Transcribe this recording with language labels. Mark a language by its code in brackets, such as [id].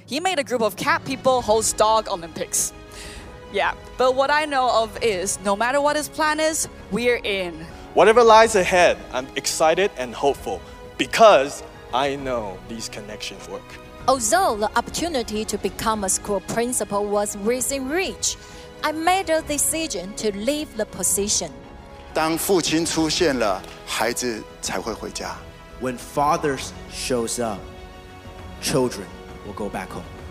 [en] He made a group of cat people host dog Olympics. Yeah, but what I know of is, no matter what his plan is, we're in. Whatever lies ahead, I'm excited and hopeful because I know these connections work. Although the opportunity to become a school principal was within reach, I made a decision to leave the position. [zh] 当父亲出现了，孩子才会回家。 [en] When fathers shows up, children will go back home.